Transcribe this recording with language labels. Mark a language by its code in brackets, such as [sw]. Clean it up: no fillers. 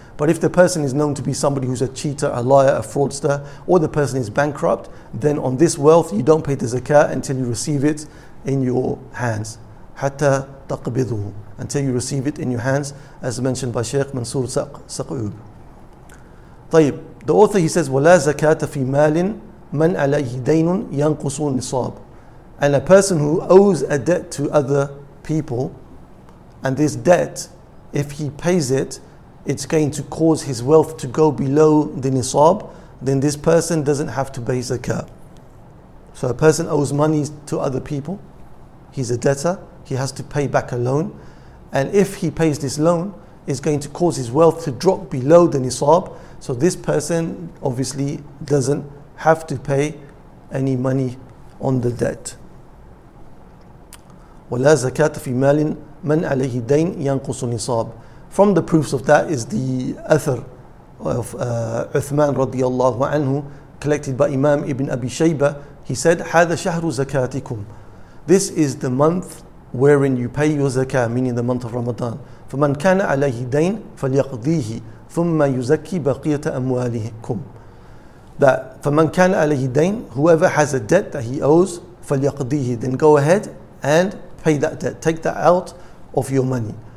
[en] But if the person is known to be somebody who's a cheater, a liar, a fraudster, or the person is bankrupt, then on this wealth you don't pay the zakah until you receive it in your hands. [ar] Hatta taqbidhu, [en] until you receive it in your hands, as mentioned by Sheikh Mansur Saq'ub. [ar] طيب, [en] the author, he says, [ar] وَلَا زَكَاةَ فِي مَالٍ مَنْ عَلَيْهِ دَيْنٌ يَنْقُصُ النِّصَابُ. [en] And a person who owes a debt to other people, and this debt, if he pays it, it's going to cause his wealth to go below the nisab, then this person doesn't have to pay zakah. So a person owes money to other people, he's a debtor, he has to pay back a loan, and if he pays this loan, it's going to cause his wealth to drop below the nisab, so this person obviously doesn't have to pay any money on the debt. [ar] وَلَا زَكَاةَ فِي مَالٍ مَنْ عَلَيْهِ دَيْنٍ يَنْقُصُ النِّصَابِ. [en] From the proofs of that is the athar of Uthman radiallahu anhu, collected by Imam Ibn Abi Shayba. He said, [ar] هَذَا شَهْرُ زَكَاتِكُمْ. [en] This is the month wherein you pay your zakah, meaning the month of Ramadan. [ar] فَمَنْ كَانَ عَلَيْهِ دَيْنٍ فَلْيَقْضِيهِ ثُمَّ يُزَكِّي بَقِيَةَ أَمْوَالِهِكُمْ. [en] That [ar] فَمَنْ كَانَ عَلَيْهِ دَيْنٍ, [en] whoever has a debt that he owes, [ar] فَلْيَقْضِيهِ, [en] then go ahead and pay that debt, take that out of your money.